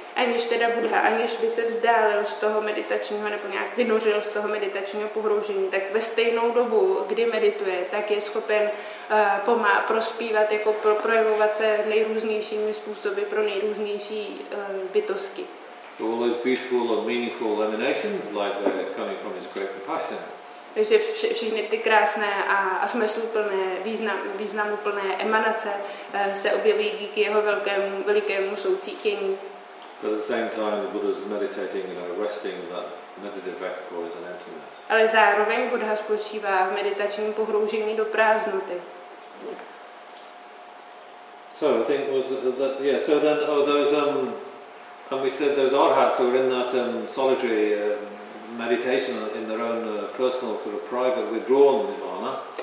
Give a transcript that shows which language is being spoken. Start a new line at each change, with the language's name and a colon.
Czech: Aniž teda Buddha, aniž by se vzdálil z toho meditačního, nebo nějak vynořil z toho meditačního pohroužení, tak ve stejnou dobu, kdy medituje, tak je schopen prospívat, jako projevovat se nejrůznějšími způsoby pro nejrůznější bytosti.
English: So all those beautiful and meaningful emanations, like they're coming from his great compassion.
Czech: Takže všechny ty krásné a smysluplné, významuplné emanace se objeví díky jeho velikému soucítění.
English: But at the same time, the Buddha's meditating, resting that meditative equipoise and emptiness.
Czech: Ale zároveň Buddha spočívá v meditačním pohroužení do prázdnoty.
English: So I think was that, yeah. So then and we said those arhats who were in that solitary meditation in their own personal sort of private withdrawn nirvana.